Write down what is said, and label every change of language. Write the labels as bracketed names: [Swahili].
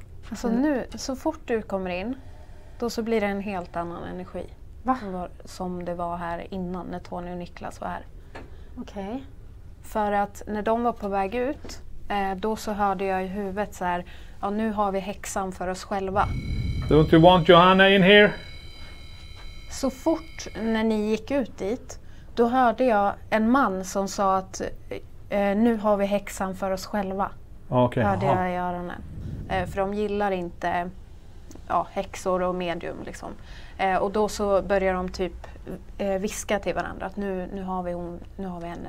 [Swedish] Alltså nu, så fort du kommer in, då så blir det en helt annan energi. Va? Som det var här innan, när Tony och Niklas var här. Okej. Okay. För att när de var på väg ut, då så hörde jag i huvudet så här, ja, nu har vi häxan för oss själva. [English] Don't you want Johanna in here? [Swedish] Så fort när ni gick ut dit, då hörde jag en man som sa att nu har vi häxan för oss själva. Okej. Okay, hörde jag i öronen. För de gillar inte häxor och medium liksom. Och då så börjar de typ viska till varandra att nu har vi hon, nu har vi henne.